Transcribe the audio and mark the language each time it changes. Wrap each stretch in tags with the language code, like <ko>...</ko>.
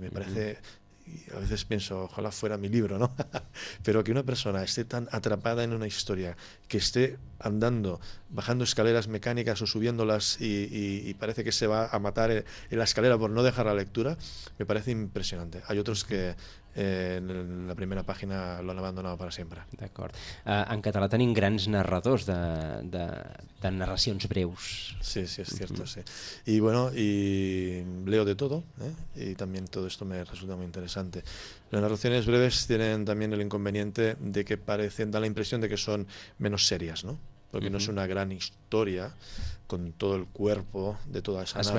<es>Me parece, a veces pienso, ojalá fuera mi libro, ¿no? Pero que una persona esté tan atrapada en una historia, que esté andando, bajando escaleras mecánicas o subiéndolas y parece que se va a matar en la escalera por no dejar la lectura, me parece impresionante. Hay otros que en la primera</es> <ca>pàgina l'han abandonat per sempre. D'acord. En català tenim grans narradors de narracions breus. Sí, sí, és cert, sí.</ca> <es>Y bueno, y leo de todo, y también todo esto me resulta muy interesante. Las narraciones breves tienen también el inconveniente de que parecen, dan la impresión de que son menos serias, ¿no? Porque no es una gran historia con todo el cuerpo de toda esa narrativa.</es>